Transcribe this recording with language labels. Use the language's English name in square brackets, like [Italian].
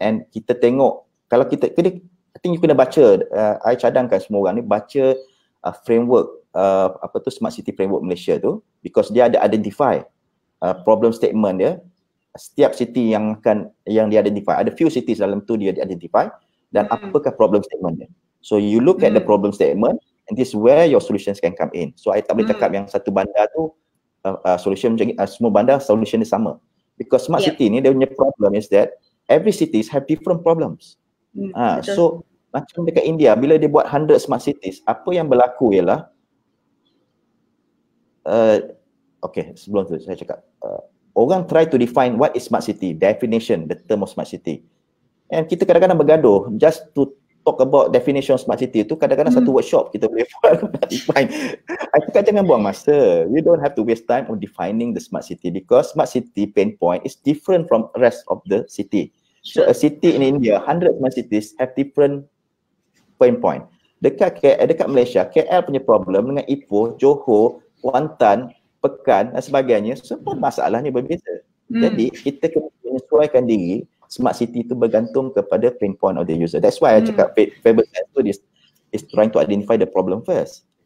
[Malay] And kita tengok, kalau kita, [English] I think you [Malay] kena baca, I cadangkan semua orang ni baca framework, apa tu Smart City Framework Malaysia tu, because dia ada identify problem statement dia, setiap city yang akan, yang dia identify, ada few cities dalam tu dia identify, dan apakah problem statement dia. [English] So you look at the problem statement, and this is where your solutions can come in. [Malay] So I tak boleh cakap yang satu bandar tu, solution macam semua bandar solution dia sama. [English] Because smart city [Malay] ni dia punya [English] problem is that every cities have different problems. [Malay] So macam dekat India, bila dia buat 100 smart cities, apa yang berlaku ialah sebelum tu saya cakap, orang try to define what is smart city, definition, the term of smart city. And kita kadang-kadang bergaduh [English] just to talk about [Malay] definition smart city tu, kadang-kadang satu workshop kita boleh buat define. I cakap jangan buang masa. [English] You don't have to waste time on defining the smart city because smart city pain point is different from rest of the city. So a city in India, 100 smart cities have different pain point. [Malay] Dekat dekat Malaysia, KL punya problem dengan Ipoh, Johor, Kuantan, Pekan dan sebagainya, semua masalahnya berbeza. Jadi kita kena menyesuaikan diri. [English] Smart city [Malay] itu bergantung kepada [English] pain point of the user. That's why I [Malay] cakap [English] Faber Center is trying to identify the problem first.